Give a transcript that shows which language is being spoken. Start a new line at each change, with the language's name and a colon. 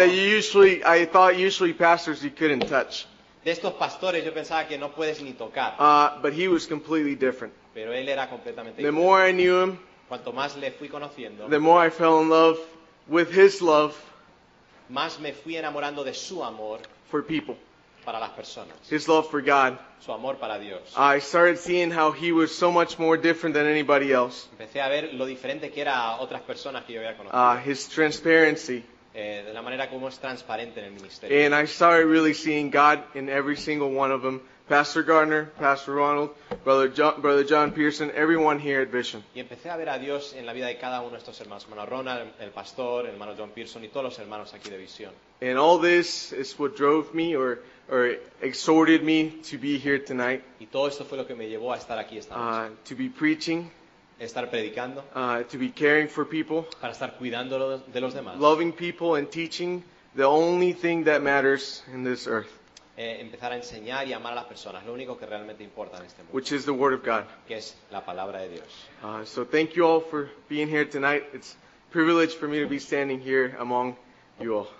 English: This person that usually pastors you couldn't touch.
Spanish: De estos pastores, yo pensaba que no puedes ni tocar.
English: But he was completely different.
Spanish: Pero él era completamente
English: the
Spanish: diferente.
English: More I knew him,
Spanish: cuanto más le fui conociendo,
English: the more I fell in love with his love
Spanish: más me fui enamorando de su amor
English: for people.
Spanish: para las personas.
English: His love for God.
Spanish: Su amor para Dios.
English: I started seeing how he was so much more different than anybody else.
Spanish: Empecé a ver lo diferente que era otras personas que yo había conocido.
English: His transparency.
Spanish: De la manera como es transparente en el ministerio.
English: And I started really seeing God in every single one of them. Pastor Gardner, Pastor Ronald, Brother John Pearson, everyone here at Vision.
Spanish: Y empecé a ver a Dios en la vida de cada uno de estos hermanos, hermano Ronald, el pastor, el hermano John Pearson y todos los hermanos aquí de Vision.
English: And all this is what drove me or exhorted me to be here tonight.
Spanish: Y todo esto fue lo que me llevó a estar aquí esta noche.
English: To be preaching.
Spanish: Estar predicando.
English: To be caring for people.
Spanish: Para estar cuidando de los demás.
English: Loving people and teaching the only thing that matters in this earth.
Spanish: Empezar a enseñar y amar a las personas, lo único que realmente importa en este mundo.
English: Which is the word of God.
Spanish: Que es la palabra de Dios.
English: So thank you all for being here tonight. It's a privilege for me to be standing here among you all.